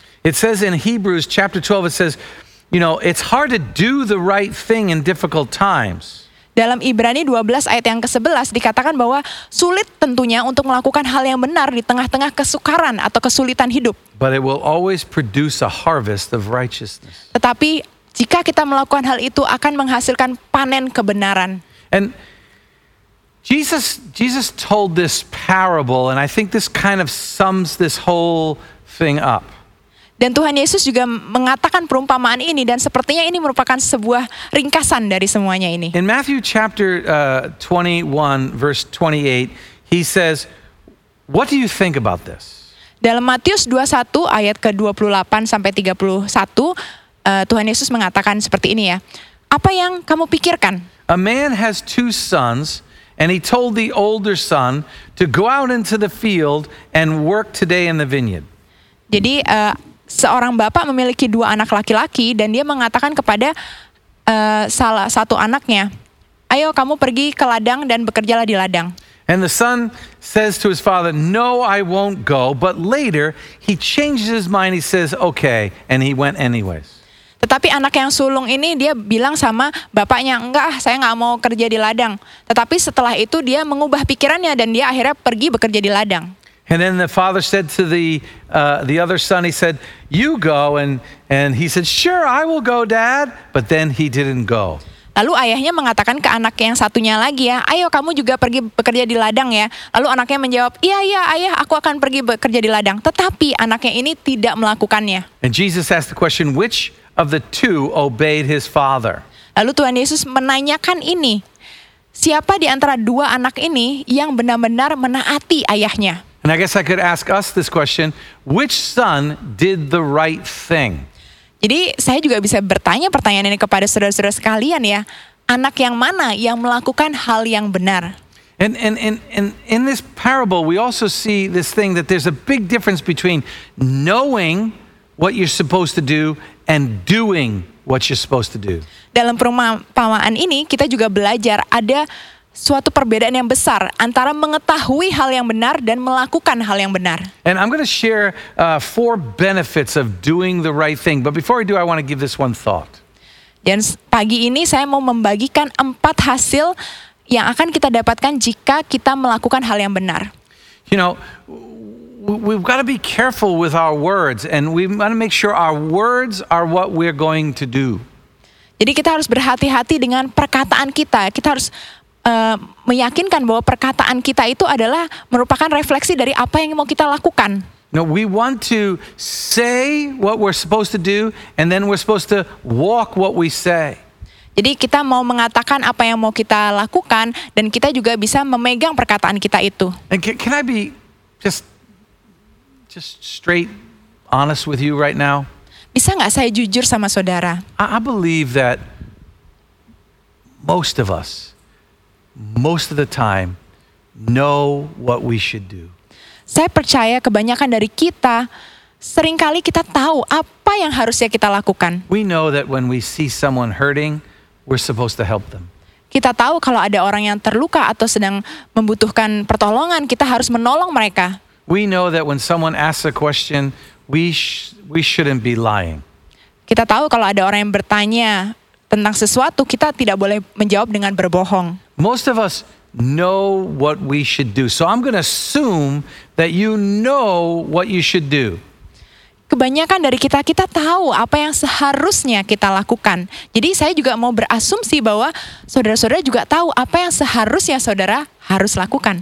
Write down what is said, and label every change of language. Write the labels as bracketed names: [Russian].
[English] It says in Hebrews chapter 12, it says, you know, it's hard to do the right thing in difficult times. [Indonesian] Dalam Ibrani 12 ayat yang ke-11 dikatakan bahwa sulit tentunya untuk melakukan hal yang benar di tengah-tengah kesukaran atau kesulitan hidup. [English] But it will always produce a harvest of righteousness. [Indonesian] Tetapi jika kita melakukan hal itu akan menghasilkan panen kebenaran. [English] And Jesus told this parable, and I think this kind of sums this whole thing up. [Indonesian] Dan Tuhan Yesus juga mengatakan perumpamaan ini, dan sepertinya ini merupakan sebuah ringkasan dari semuanya ini. [English] In Matthew chapter 21 verse 28, he says, "What do you think about this?" [Indonesian] Dalam Matius 21 ayat ke-28 sampai 31, Tuhan Yesus mengatakan seperti ini ya. Apa yang kamu pikirkan? [English] A man has two sons, and he told the older son to go out into the field and work today in the vineyard. [Indonesian] Jadi seorang bapak memiliki dua anak laki-laki, dan dia mengatakan kepada salah satu anaknya, "Ayo kamu pergi ke ladang dan bekerjalah di ladang." [English] And the son says to his father, "No, I won't go." But later he changes his mind. He says, "Okay," and he went anyways. [Indonesian] Tetapi anak yang sulung ini dia bilang sama bapaknya, "Enggak, saya enggak mau kerja di ladang." Tetapi setelah itu dia mengubah pikirannya dan dia akhirnya pergi bekerja di ladang. [English] And then the father said to the other son, he said, "You go." And he said, "Sure, I will go, Dad." But then he didn't go. [Indonesian] Lalu ayahnya mengatakan ke anak yang satunya lagi ya, "Ayo kamu juga pergi bekerja di ladang ya." Lalu anaknya menjawab, iya ayah, aku akan pergi bekerja di ladang." Tetapi anaknya ini tidak melakukannya. [English] And Jesus asked the question, which of the two obeyed his father? [Indonesian] Lalu Tuhan Yesus menanyakan ini, siapa di antara dua anak ini yang benar-benar menaati ayahnya? [English] And I guess I could ask us this question, which son did the right thing? [Indonesian] Jadi saya juga bisa bertanya pertanyaan ini kepada saudara-saudara sekalian ya, anak yang mana yang melakukan hal yang benar? [English] And in this parable we also see this thing that there's a big difference between knowing what you're supposed to do and doing what you're supposed to do. [Indonesian] Dalam perumpamaan ini kita juga belajar ada suatu perbedaan yang besar antara mengetahui hal yang benar dan melakukan hal yang benar. [English] And I'm going to share four benefits of doing the right thing. But before I do, I want to give this one thought. [Indonesian] Dan pagi ini saya mau membagikan empat hasil yang akan kita dapatkan jika kita melakukan hal yang benar. [English] You know, we've got to be careful with our words, and we want to make sure our words are what we're going to do. [Indonesian] Jadi kita harus berhati-hati dengan perkataan kita. Kita harus meyakinkan bahwa perkataan kita itu adalah merupakan refleksi dari apa yang mau kita lakukan. [English] No, we want to say what we're supposed to do, and then we're supposed to walk what we say. [Indonesian] Jadi kita mau mengatakan apa yang mau kita lakukan, dan kita juga bisa memegang perkataan kita itu. [English] And can I be just straight honest with you right now? [Indonesian] Bisa nggak saya jujur sama saudara? [English] I believe that most of us, most of the time, know what we should do. [Indonesian] Saya percaya kebanyakan dari kita, seringkali kita tahu apa yang harusnya kita lakukan. [English] We know that when we see someone hurting, we're supposed to help them. [Indonesian] Kita tahu kalau ada orang yang terluka atau sedang membutuhkan pertolongan, kita harus menolong mereka. [English] We know that when someone asks a question, we shouldn't be lying. [Indonesian] Kita tahu kalau ada orang yang bertanya tentang sesuatu, kita tidak boleh menjawab dengan berbohong. [English] Most of us know what we should do. So I'm going to assume that you know what you should do. [Indonesian] Kebanyakan dari kita tahu apa yang seharusnya kita lakukan. Jadi saya juga mau berasumsi bahwa saudara-saudara juga tahu apa yang seharusnya saudara harus lakukan.